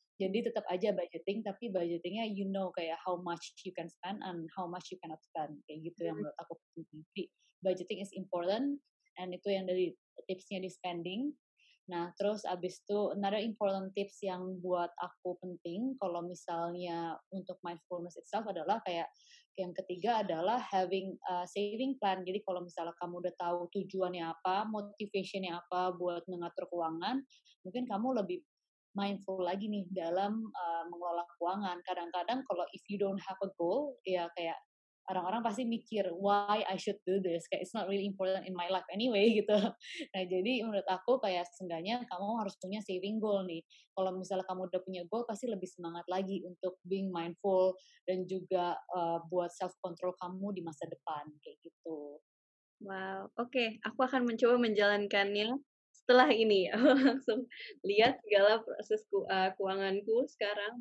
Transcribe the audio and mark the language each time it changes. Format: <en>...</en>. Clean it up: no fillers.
<id>Jadi tetap aja budgeting, tapi budgetingnya</id> <en>you know kayak how much you can spend and how much you cannot spend.</en> <id>Kayak gitu yang menurut aku penting.</id> <en>Budgeting is important, and</en> <id>itu yang dari tipsnya di spending. Nah, terus abis itu,</id> <en>another important tips</en> <id>yang buat aku penting, kalau misalnya untuk mindfulness itself adalah kayak, yang ketiga adalah</id> <en>having a saving plan.</en> <id>Jadi kalau misalnya kamu udah tahu tujuannya apa, motivationnya apa buat mengatur keuangan, mungkin kamu lebih mindful lagi nih dalam mengelola keuangan. Kadang-kadang kalau</id> <en>if you don't have a goal,</en> <id>ya kayak, orang-orang pasti mikir,</id> <en>why I should do this? Kayak, it's not really important in my life anyway, gitu.</en> <id>Nah, jadi menurut aku kayak seenggaknya kamu harus punya saving goal nih. Kalau misalnya kamu udah punya goal, pasti lebih semangat lagi untuk</id> <en>being mindful</en> <id>dan juga buat self-control kamu di masa depan, kayak gitu.</id> <en>Wow, okay.</en> <id>Aku akan mencoba menjalankannya setelah ini. Aku langsung lihat segala proses keuanganku sekarang.</id>